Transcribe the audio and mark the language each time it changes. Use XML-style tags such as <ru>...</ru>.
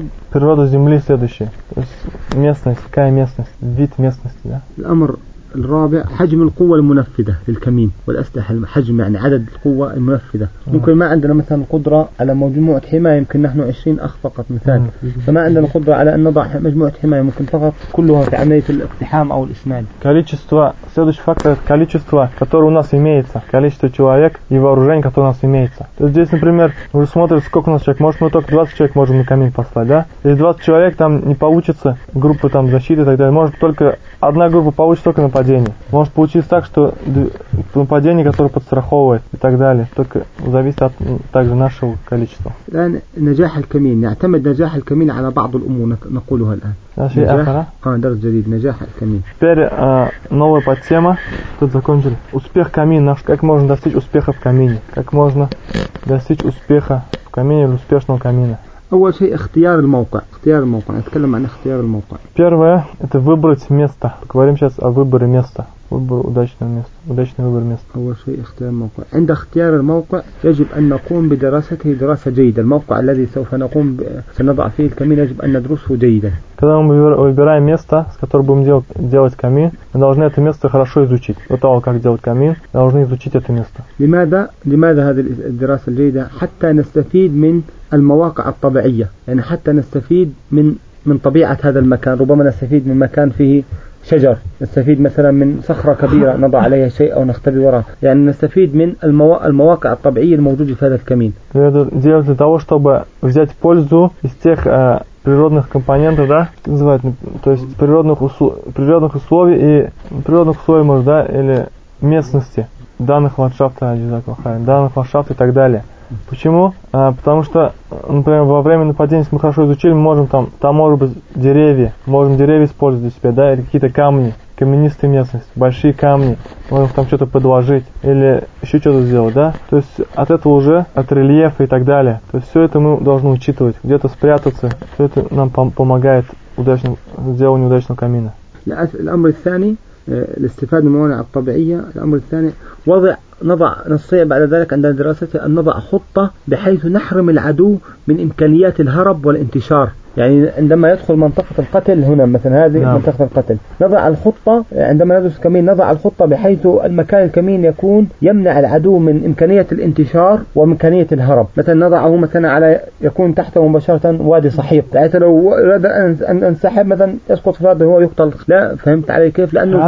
<ru>Природа Земли следующая. То есть местность, какая местность, вид местности. Да?</ru> <ar>الرابع حجم القوة المنفذة للكمين والأسلحة حجم يعني عدد القوة المنفذة ممكن ما عندنا مثلا قدرة على مجموعة حماية يمكن نحن 20 أخ فقط مثال فما عندنا قدرة على أن نضع مجموعة حماية ممكن فقط كلها في عملية الاقتحام أو الإسناد.</ar> <ru>количество следующий фактор количество которое у нас имеется количество человек и вооружение которое у нас имеется. То есть здесь например вы смотрите сколько у нас человек может мы только 20 человек можем на камин послать, да? Если 20 человек там не получится группы там защиты и так далее может только одна группа получит только нападение. Может получиться так, что нападение, которое подстраховывает и так далее, только зависит от также нашего количества.</ru> <ar>الآن نجاح الكمين يعتمد نجاح الكمين على بعض الأمور نقولها الآن. شيء آخر؟ درس جديد نجاح الكمين.</ar> <ru>Теперь новая подтема. Тут закончили. Успех камина. Как можно достичь успеха в камине? Как можно достичь успеха в камине или успешного камина?</ru> <ar>أول شيء اختيار الموقع. اختيار الموقع. نتكلم عن اختيار الموقع.</ar> <ru>Первое это выбрать место. Поговорим сейчас о выборе места. Выбор удачного места. Удачный выбор места.</ru> <ar>أول شيء اختيار الموقع. عند اختيار الموقع يجب أن نقوم بدراسته دراسة جيدة. الموقع الذي سوف نقوم سنضع فيه الكمين يجب أن ندرسه جيدا.</ar> <ru>Когда мы выбираем место, с которым будем делать камин, мы должны это место хорошо изучить. До того, как делать камин, должны изучить это место.</ru> <ar>لماذا هذه الدراسة الجيدة حتى نستفيد من المواقع الطبيعية يعني حتى نستفيد من طبيعة هذا المكان ربما نستفيد من مكان فيه شجر نستفيد مثلا من صخرة كبيرة نضع عليها شيء أو نختبي وراء يعني نستفيد من المواقع الطبيعية الموجودة في هذا الكمين.</ar> <ru>Дело для того, чтобы взять пользу из тех природных компонентов, да, называют, то есть природных условий и природных условий, может, да, или местности данных ландшафтов, данных ландшафтов и так далее. Почему? Потому что, например, во время нападения, если мы хорошо изучили, мы можем там может быть деревья, можем деревья использовать для себя, да, или какие-то камни, каменистые местности, большие камни, можем там что-то подложить или еще что-то сделать, да. То есть от этого уже, от рельефа и так далее, то есть все это мы должны учитывать, где-то спрятаться, все это нам помогает удачно сделать неудачного камина.</ru> <ar>الأمر الثاني الاستفادة من الموانع الطبيعية. الأمر الثاني وضع نضع نستطيع بعد ذلك عند دراسته أن نضع خطة بحيث نحرم العدو من إمكانيات الهرب والانتشار يعني عندما يدخل منطقة القتل هنا مثلا هذه منطقة القتل نضع الخطة عندما ندرس كمين نضع الخطة بحيث المكان الكمين يكون يمنع العدو من إمكانية الانتشار وإمكانية الهرب مثلا نضعه مثلا على يكون تحته مباشرة وادي صحيح حتى لو أراد أن أنسحب مثلا يسقط في الأرض هو يقتل لا فهمت علي كيف لأنه</ar>